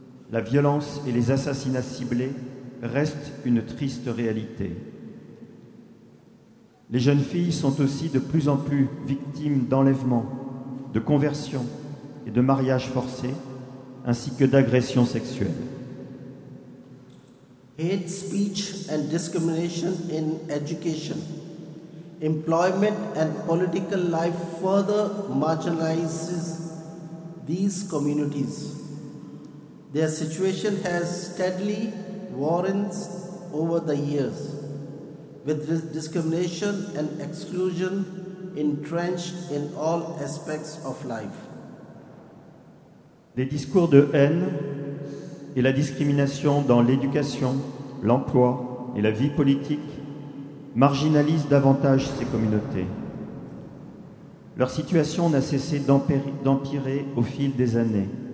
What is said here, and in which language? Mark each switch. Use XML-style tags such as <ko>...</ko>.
<fr>La violence et les assassinats ciblés restent une triste réalité. Les jeunes filles sont aussi de plus en plus victimes d'enlèvements, de conversions et de mariages forcés, ainsi que d'agressions sexuelles.</fr> <en>Hate speech and discrimination in education, employment and political life further marginalizes these communities. Their situation has steadily worsened over the years, with discrimination and exclusion entrenched in all aspects of life.</en> <fr>Les discours de haine et la discrimination dans l'éducation, l'emploi et la vie politique marginalisent davantage ces communautés. Leur situation n'a cessé d'empirer au fil des années.</fr>